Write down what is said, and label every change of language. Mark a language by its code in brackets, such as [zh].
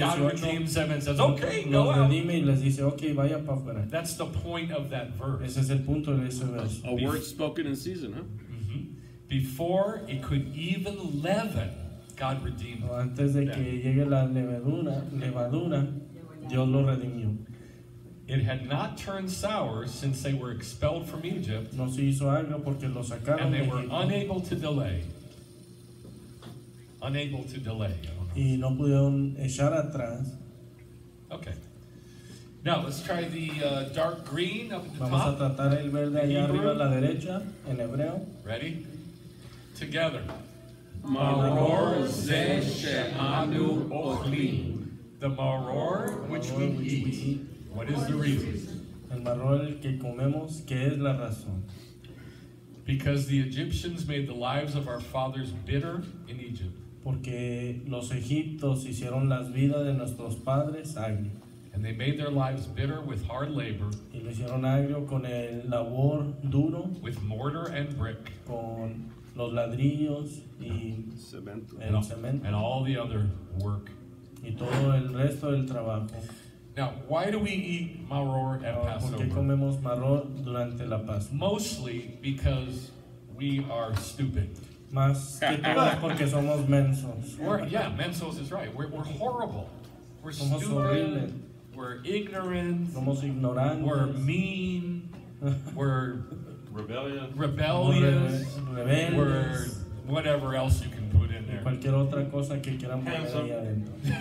[en] God redeems them and says, okay, go out. [es] Redime y les dice, okay, vaya pa fuera. [en] That's the point of that verse. [es] Ese es el punto de ese verso. [en] A word spoken in season, huh? Mm-hmm. Before it could even leaven, God redeemed them. [es] Antes de que llegue la levadura, Dios lo redimió. [en] It had not turned sour since they were expelled from Egypt. [es] No se hizo agrio porque lo sacaron. [en] And they were [es] Egipto. [en] Unable to delay. Unable to delay. [es] Y no pudieron echar atrás. [en] Okay. Now let's try the dark green up at the [es] Vamos Vamos a tratar el verde allá arriba a la derecha en hebreo. [en] Ready? Together. [he] Maror ze she'anu ochlin. [en] The maror which we eat. What is the reason? [es] El maror que comemos, ¿qué es la razón? [en] Because the Egyptians made the lives of our fathers bitter in Egypt. [es] Porque los egipcios hicieron las vidas de nuestros padres agrio. [en] And they made their lives bitter with hard labor. [es] Y lo hicieron agrio con el labor duro. [en] With mortar and brick. [es] Con los ladrillos y cemento. [en] And all the other work. [es] Y todo el resto del trabajo. [en] Now, why do we eat maror at Passover? [es] ¿Por qué comemos maror durante la Pascua? [en] Mostly because we are stupid. [es] Más que todo porque somos mensos. [en] Yeah, mensos is right. We're horrible. We're [es] somos [en] stupid. [es] Horrible. [en] We're ignorant. [es] Somos ignorantes. [en] We're mean. We're rebellious. We're whatever else you can put in there. [es] Cualquier otra cosa que quieran poner ahí adentro.